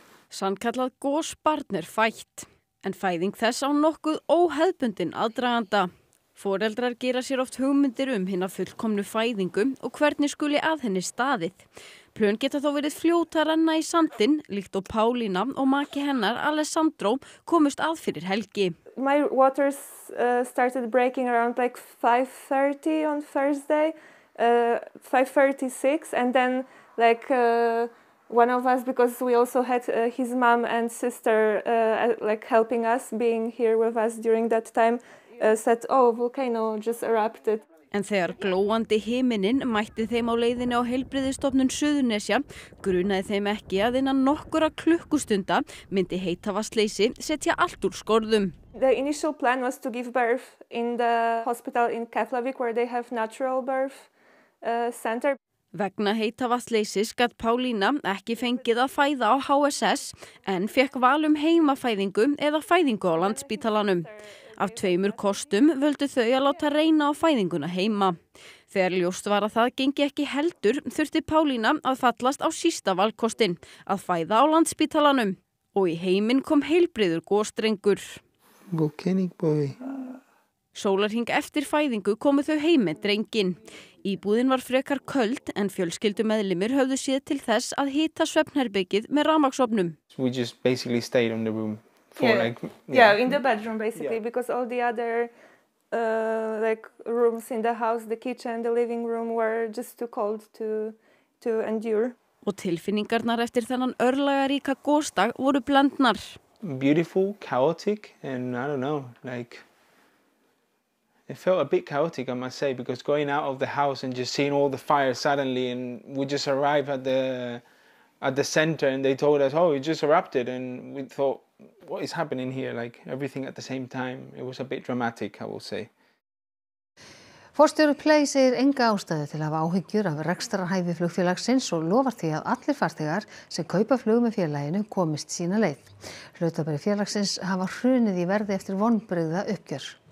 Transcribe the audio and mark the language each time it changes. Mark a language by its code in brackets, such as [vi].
[is] Sannkallað gosbarn er fætt, en fæðing þess á nokkuð óhefðbundin aðdraganda. Foreldrar gera sér oft hugmyndir hinna fullkomnu fæðingu og hvernig skuli að henni staðið. Plön geta þó verið fljóta renna í sandin, líkt og Pálína og maki hennar, Alessandro, komust að fyrir helgi. [en] My waters started breaking around like 5:30 on Thursday, 5:36, and then like one of us, because we also had his mom and sister like helping us, being here with us during that time, said, oh, volcano just erupted. [is] En þegar glóandi himinin mætti þeim á leiðinni á heilbrigðisstofnun Suðurnesja, grunaði þeim ekki að innan nokkura klukkustunda myndi heita vatnsleysi setja allt úr skorðum. [en] The initial plan was to give birth in the hospital in Keflavík where they have natural birth center. [is] Vegna heita vatnsleysis gat Pálína ekki fengið að fæða á HSS en fékk val heimafæðingu eða fæðingu á Landspítalanum. Af tveimur kostum völdu þau að láta reyna á fæðinguna heima. Þegar ljóst var að það gengi ekki heldur, þurfti Pálína að fallast á sísta valkostin, að fæða á Landspítalanum. og í heiminn kom heilbrigður gosdrengur. [en] Volcanic boy. [is] Sólarhring eftir fæðingu komu þau heim með drenginn. Íbúðin var frekar köld en fjölskyldu meðlimir höfðu séð til þess að hita svefnherbergið með rafmagnsofnum. [en] We just basically stayed in the room for yeah. like yeah. yeah, in the bedroom basically yeah. because all the other like rooms in the house, the kitchen, the living room were just too cold to endure. [is] Og tilfinningarnar eftir þennan örlagaríka gosdag voru blendnar. [en] Beautiful, chaotic and I don't know, like it felt a bit chaotic, I must say, because going out of the house and just seeing all the fire suddenly and we just arrived at the center and they told us, oh, it just erupted and we thought, what is happening here? Like everything at the same time. It was a bit dramatic, I will say. [is] Forstjóri Play segir enga ástæðu til að hafa áhyggjur af rekstrarhæfi flugfélagsins og lofar því að allir farþegar sem kaupa flug með félaginu komist sína leið. Hlutabréf félagsins hafa hrunið í verði eftir vonbrigða uppgjör.